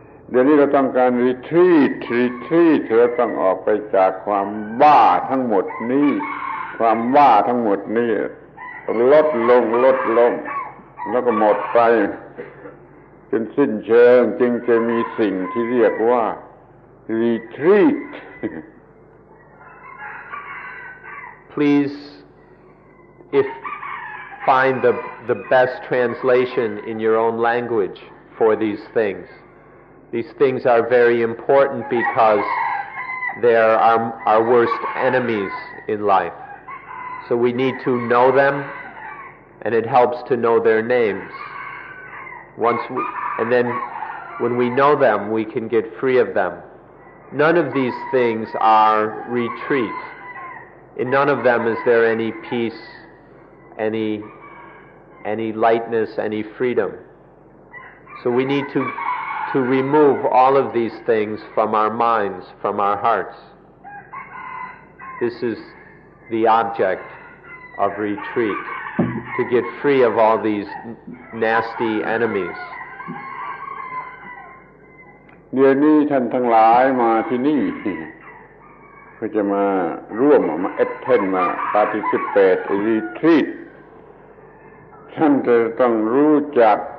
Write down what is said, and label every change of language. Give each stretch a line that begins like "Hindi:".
Thai: เดี๋ยวนี้เราต้องการรีทรีทเราต้องออกไปจากความบ้าทั้งหมดนี้ความบ้าทั้งหมดนี้ลดลงแล้วก็หมดไปจนสิ้นเชิงจึงจะมีสิ่งที่เรียกว่ารีทรีท
English: Please if find the best translation in your own language for these things. These things are very important because they are our worst enemies in life. So we need to know them, and it helps to know their names. Once we, and then when we know them, we can get free of them. None of these things are retreat. In none of them is there any peace, any lightness, any freedom. So we need to remove all of these things from our minds, from our hearts. This is the object of retreat, to get free of all these nasty enemies.
Thai: เดี๋ยวนี้ท่านทั้งหลายมาที่นี่เพื่อจะมาร่วมมาเอทเทนมาปาร์ติซิเปตรีทรีตท่านจะต้องรู้จัก